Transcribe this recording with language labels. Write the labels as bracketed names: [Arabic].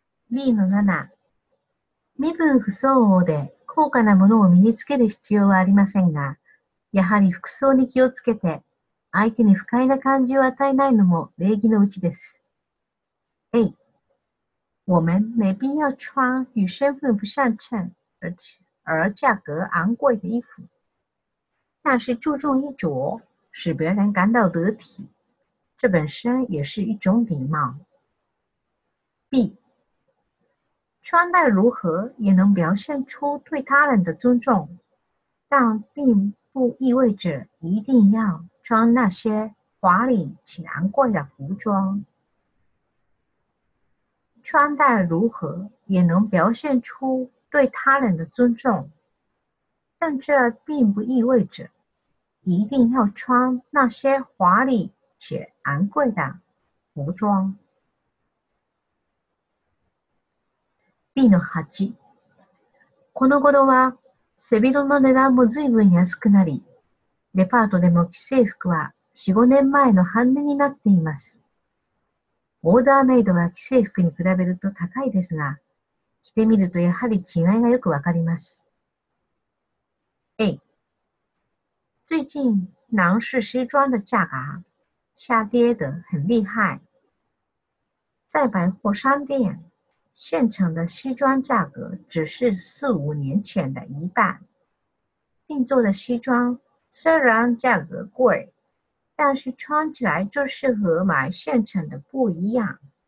[Japanese] B の7、身分不相応で高価なものを身につける必要はありませんが、やはり服装に気をつけて、相手に不快な感じを与えないのも礼儀のうちです。 [Chinese] A、我们没必要穿与身份不相称而价格昂贵的衣服，但是注重衣着，使别人感到得体，这本身也是一种礼貌。 B。穿戴如何也能表现出对他人的尊重，但并不意味着一定要穿那些华丽且昂贵的服装。穿戴如何也能表现出对他人的尊重，但这并不意味着一定要穿那些华丽且昂贵的服装。 [Japanese] B の8。この頃は、背広の値段も随分安くなり、デパートでも既製服は4、5年前の半値になっています。オーダーメイドは既製服に比べると高いですが、着てみるとやはり違いがよくわかります。 A。 [Chinese] 最近、男士西装の价格下跌得很厉害。在百货商店、现成的西装价格只是4、5年前的一半。定做的西装虽然价格贵，但是穿起来就是和买现成的不一样。